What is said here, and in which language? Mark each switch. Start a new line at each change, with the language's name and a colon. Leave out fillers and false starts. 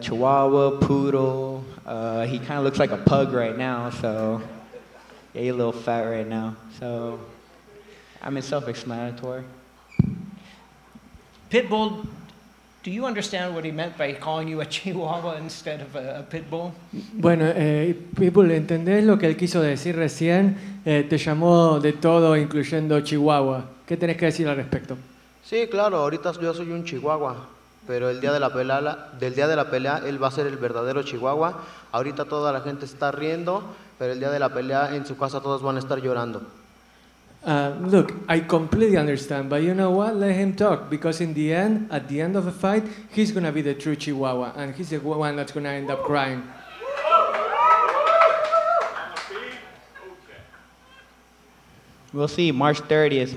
English: Chihuahua, poodle. He kind of looks like a pug right now, so yeah, he's a little fat right now. So I mean, self-explanatory. Pitbull, do you understand what he meant by calling you a Chihuahua instead of a Pitbull?
Spanish: Bueno, Pitbull, ¿entendés lo que él quiso decir recién? Te llamó de todo, incluyendo Chihuahua. ¿Qué tenés que decir al respecto? Sí, claro, ahorita yo soy un chihuahua, pero el día de la pelea, él va a ser el verdadero chihuahua. Ahorita toda la gente está riendo, pero el día de la pelea en su casa todos van a estar llorando.
English: Look, I completely understand, but you know what? Let him talk, because in the end, at the end of the fight, he's going to be the true chihuahua, and he's the one that's going to end up crying. We'll see. March 30th.